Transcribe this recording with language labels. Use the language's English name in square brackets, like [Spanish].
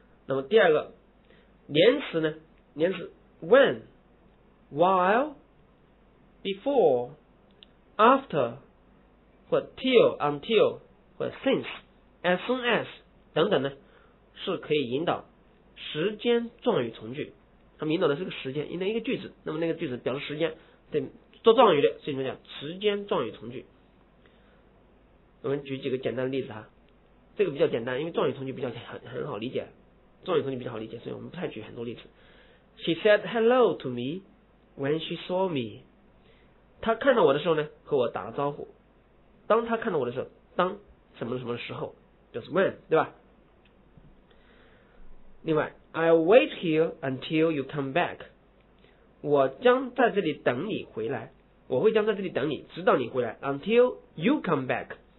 [Chinese] 那么第二个连词呢，连词 when、while、before、after 或 till、until 或 since、as soon as 等等呢，是可以引导时间状语从句。它引导的是个时间，引导一个句子，那么那个句子表示时间，对，做状语的，所以说叫时间状语从句。我们举几个简单的例子哈，这个比较简单，因为状语从句比较很好理解，状语从句比较好理解，所以我们不太举很多例子。 [English] She said hello to me when she saw me。 [Chinese] 她看到我的时候呢，和我打了招呼。当她看到我的时候，当什么什么时候，就是 when， 对吧？另外 ， [English] I'll wait here until you come back。 [Chinese] 我将在这里等你回来，我会将在这里等你，直到你回来 ， [English] until you come back。